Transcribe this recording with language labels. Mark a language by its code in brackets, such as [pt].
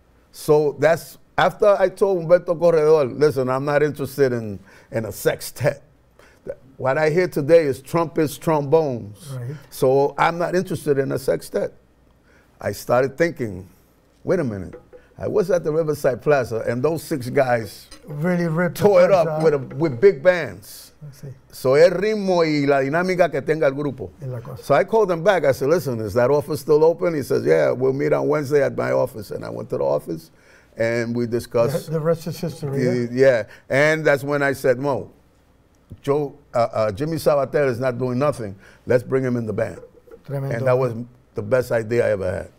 [en] So that's after I told Humberto Corredor, listen, I'm not interested in a sextet. What I hear today is trumpets, trombones. Right. So I'm not interested in a sextet. I started thinking, wait a minute, I was at the Riverside Plaza and those six guys really ripped tore it up with big bands. So [es] el ritmo y la dinámica que tenga el grupo. [en] So I called them back, I said, listen, is that office still open? He says, yeah, we'll meet on Wednesday at my office. And I went to the office and we discussed. The rest is history. Yeah, and that's when I said, Mo, Jimmy Sabater is not doing nothing. Let's bring him in the band. [es] Tremendo. [en] And that was the best idea I ever had.